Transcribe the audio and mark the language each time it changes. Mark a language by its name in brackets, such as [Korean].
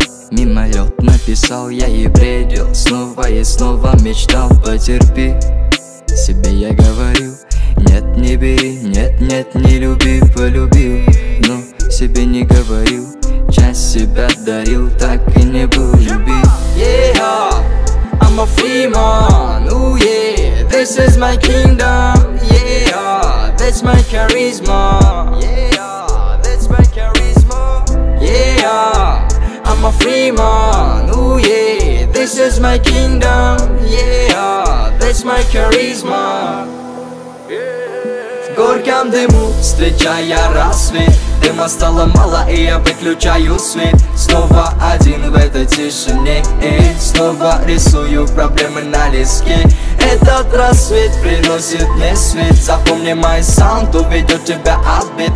[Russian] Мимолет написал я и бредил, снова и снова мечтал. Потерпи, себе я говорил, нет, не бери, нет, нет, не люби, полюбил. Но себе не говорил, часть себя дарил, так и не был любим. [English] Yeah, I'm a free man, ooh yeah, this is my kingdom. Yeah, that's my charisma. Yeah, that's my charisma. Yeah, I'm a free man, ooh yeah, this is my kingdom. Yeah, that's my charisma. [Russian] В горьком дыму встречая рассвет. Дыма стало мало и я выключаю свет. Снова один в этой тишине и снова рисую проблемы на листке. Этот рассвет приносит мне свет. Запомни мой саунд, уведет тебя отбит.